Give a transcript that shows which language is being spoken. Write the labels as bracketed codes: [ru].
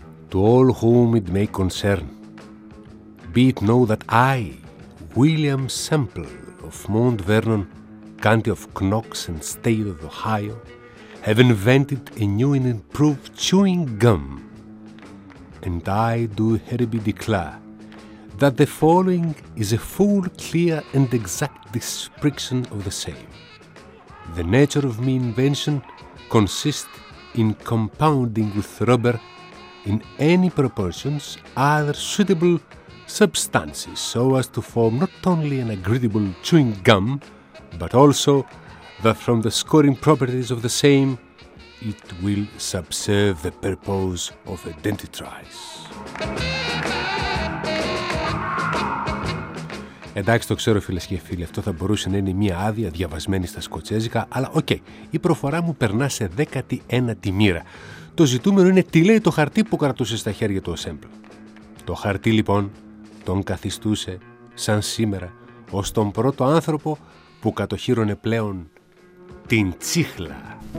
[en] To all whom it may concern, be it known that I, William Semple of Mount Vernon, County of Knox and State of Ohio, have invented a new and improved chewing gum. And I do hereby declare that the following is a full, clear, and exact description of the same. The nature of my invention consists in compounding with rubber in any proportions other suitable substances so as to form not only an agreeable chewing gum, but also that from the scoring properties of the same, it will subserve the purpose of a dentitrice. [el] Εντάξει, το ξέρω, φίλες και φίλοι, αυτό θα μπορούσε να είναι μια άδεια διαβασμένη στα σκοτσέζικα, αλλά οκ, η προφορά μου περνά σε 19η μοίρα. Το ζητούμενο είναι τι λέει το χαρτί που κρατούσε στα χέρια του ο Σέμπλ. Το χαρτί, λοιπόν, τον καθιστούσε, σαν σήμερα, ως τον πρώτο άνθρωπο που κατοχύρωνε πλέον την τσίχλα.